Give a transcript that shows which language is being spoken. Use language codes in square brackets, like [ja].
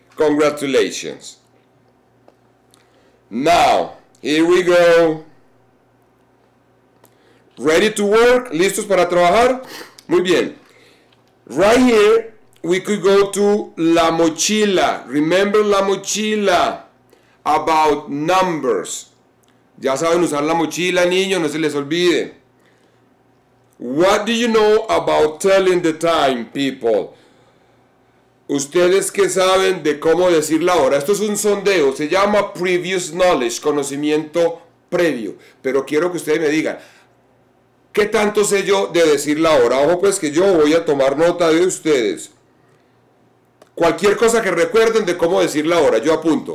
[en] Congratulations. Now, here we go. Ready to work? [es] ¿Listos para trabajar? Muy bien. [en] Right here, we could go to la mochila. Remember la mochila about numbers. [es] Ya saben usar la mochila, niños, no se les olvide. [en] What do you know about telling the time, people? [es] ¿Ustedes qué saben de cómo decir la hora? Esto es un sondeo, se llama [en] previous knowledge, [es] conocimiento previo. Pero quiero que ustedes me digan, ¿qué tanto sé yo de decir la hora? Ojo pues que yo voy a tomar nota de ustedes. Cualquier cosa que recuerden de cómo decir la hora, yo apunto.